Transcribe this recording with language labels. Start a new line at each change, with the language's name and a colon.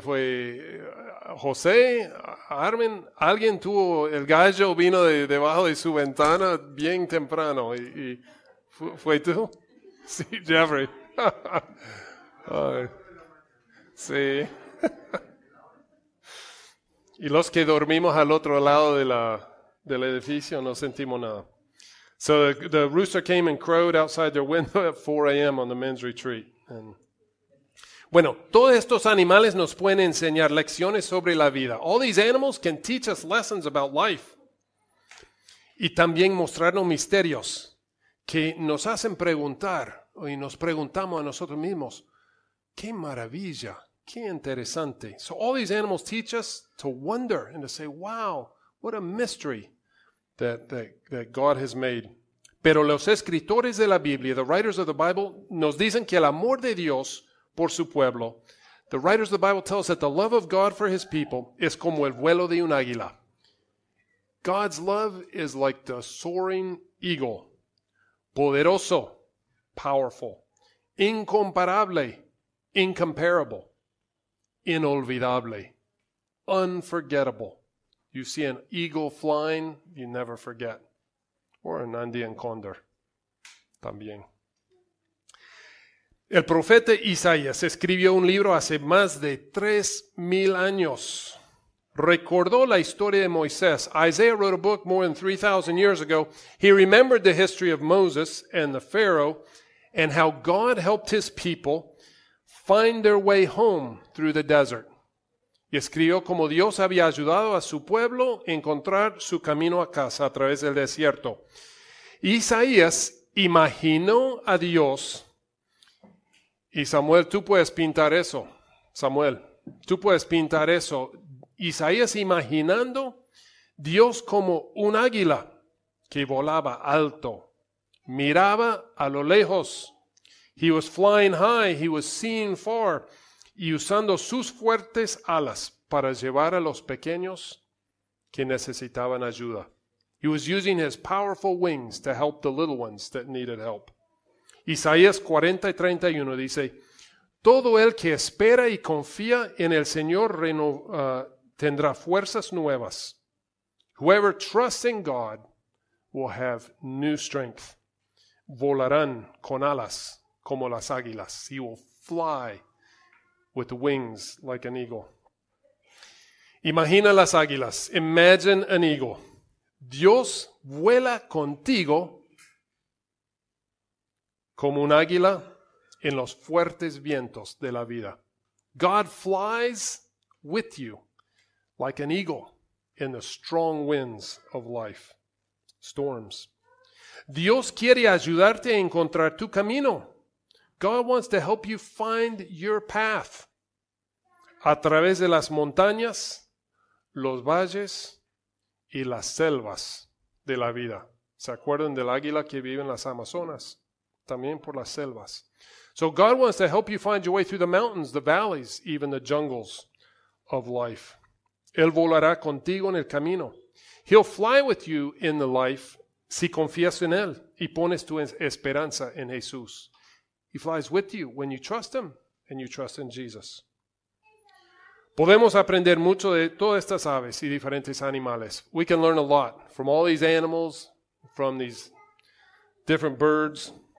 Spanish: Fue José, Armin, alguien tuvo el gallo, vino de debajo de su ventana bien temprano. ¿Y fue tú? Sí, Jeffrey. Sí. Y los que dormimos al otro lado del edificio no sentimos nada.
English: So the rooster came and crowed outside their window at 4 a.m. on the men's retreat.
Spanish: Bueno, todos estos animales nos pueden enseñar lecciones sobre la vida.
English: All these animals can teach us lessons about life.
Spanish: Y también mostrarnos misterios que nos hacen preguntar y nos preguntamos a nosotros mismos, ¿qué maravilla? Qué interesante.
English: So all these animals teach us to wonder and to say, wow, what a mystery that God has made.
Spanish: Pero los escritores de la Biblia,
English: the writers of the Bible,
Spanish: nos dicen que el amor de Dios por su pueblo,
English: the writers of the Bible tell us that the love of God for his people is
Spanish: como el vuelo de un águila.
English: God's love is like the soaring eagle.
Spanish: Poderoso, powerful, incomparable, incomparable, inolvidable, unforgettable.
English: You see an eagle flying, you never forget. Or an Andean condor, también.
Spanish: El profeta Isaías escribió un libro hace más de 3,000 años. Recordó la historia de Moisés.
English: Isaiah wrote a book more than 3,000 years ago. He remembered the history of Moses and the Pharaoh and how God helped his people find their way home through the desert.
Spanish: Y escribió cómo Dios había ayudado a su pueblo a encontrar su camino a casa a través del desierto. Isaías imaginó a Dios. Y Samuel, tú puedes pintar eso. Samuel, tú puedes pintar eso. Isaías imaginando Dios como un águila que volaba alto. Miraba a lo lejos.
English: He was flying high. He was seeing far.
Spanish: Y usando sus fuertes alas para llevar a los pequeños que necesitaban ayuda.
English: He was using his powerful wings to help the little ones that needed help.
Spanish: Isaías 40 y 31 dice, todo el que espera y confía en el Señor tendrá fuerzas nuevas.
English: Whoever trusts in God will have new strength.
Spanish: Volarán con alas como las águilas.
English: He will fly with wings like an eagle.
Spanish: Imagina las águilas.
English: Imagine an eagle.
Spanish: Dios vuela contigo como un águila en los fuertes vientos de la vida.
English: God flies with you like an eagle in the strong winds of life. Storms.
Spanish: Dios quiere ayudarte a encontrar tu camino.
English: God wants to help you find your path.
Spanish: A través de las montañas, los valles y las selvas de la vida. ¿Se acuerdan del águila que vive en las Amazonas? También por las selvas.
English: So God wants to help you find your way through the mountains, the valleys, even the jungles of life.
Spanish: Él volará contigo en el camino.
English: He'll fly with you in the life
Spanish: si confías en Él y pones tu esperanza en Jesús.
English: He flies with you when you trust Him and you trust in Jesus.
Spanish: Podemos aprender mucho de todas estas aves y diferentes animales.
English: We can learn a lot from all these animals, from these different birds.